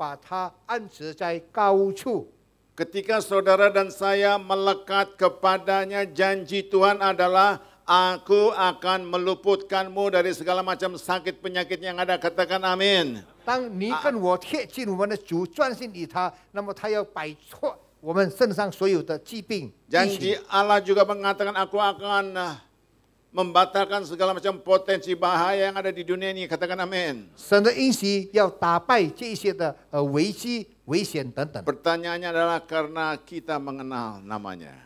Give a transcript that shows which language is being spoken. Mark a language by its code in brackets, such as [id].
[zh] 神说，因为他专心爱我，我就要搭救他；因为他知道我的名，我要把他安置在高处。 [id] Ketika saudara dan saya melekat kepadanya, janji Tuhan adalah aku akan meluputkanmu dari segala macam sakit penyakit yang ada. Katakan amin. [zh] 当你跟我贴近我们的主，专心于他，那么他要摆脱我们身上所有的疾病。 [id] Janji Allah juga mengatakan aku akan membatalkan segala macam potensi bahaya yang ada di dunia ini. Katakan amin. [zh] 神的应许要打败这些的危机。 [id] Pertanyaannya adalah karena kita mengenal namanya.